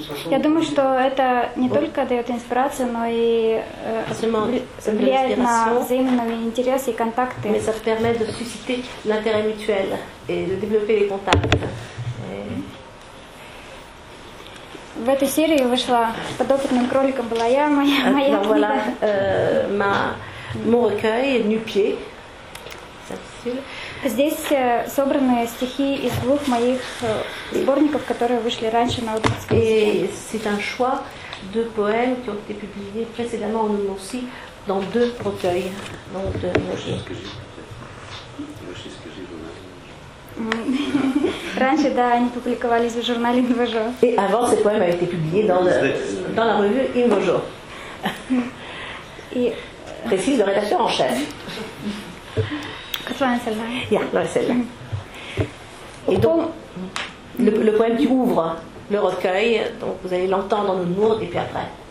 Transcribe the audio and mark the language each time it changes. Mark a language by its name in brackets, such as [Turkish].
[Russian] Я думаю, что это не только дает инспирацию, но и влияет на взаимные интересы и контакты. [French] Mais ça permet de susciter l'intérêt mutuel et de développer les contacts. [Russian] В этой серии вышла подопытным кроликом была я, моя книга. [French] Voilà, mon recueil, Nu-pieds. [Russian] Здесь собраны стихи из двух моих сборников, которые вышли раньше на удмуртском языке. [French] C'est un choix de poèmes qui ont été publiés précédemment en Udmurti dans deux recueils. Donc de [Russian] Раньше, да, они публиковались в журнале Invojo. [French] Et avant, ces poèmes avaient été publiés dans, le, dans la revue Invojo. Et précise le rédacteur en chef. Quatre-vingt celle-là. Yeah, non, celle-là. Et donc, le poème qui ouvre le recueil, donc vous allez l'entendre en Udmurt et puis après,